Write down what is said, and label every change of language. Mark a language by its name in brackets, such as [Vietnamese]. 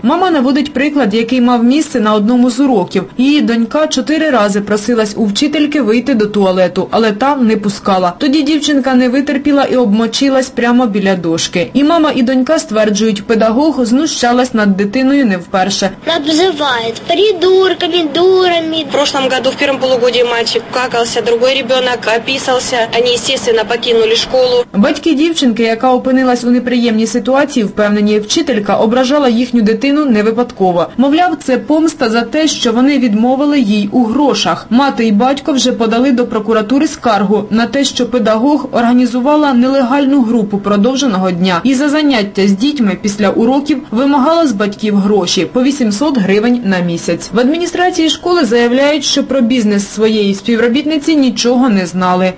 [Ukrainian] Мама наводить приклад, який мав місце на одному з уроків. Її донька 4 рази просилась у вчительки вийти до туалету, але та не пускала. Тоді дівчинка не витерпіла і обмочилась прямо біля дошки. І мама, і донька стверджують, педагог знущалась над дитиною не вперше. [Russian] Обзывають придурками, дурами. В прошлом году в первом полугодии мальчик какался, другой ребенок описался. Они, естественно, покинули школу. [Ukrainian] Батьки дівчинки, яка опинилась у неприємній ситуації, впевнені, вчителька ображала їхню дитину не випадково. Мовляв, це помста за те, що вони відмовили їй у грошах. Мати і батько вже подали до прокуратури скаргу на те, що педагог організувала нелегальну групу продовженого дня і за заняття з дітьми після уроків вимагала з батьків гроші по 800 гривень на місяць. В адміністрації школи заявляють, що про бізнес своєї співробітниці нічого не знали.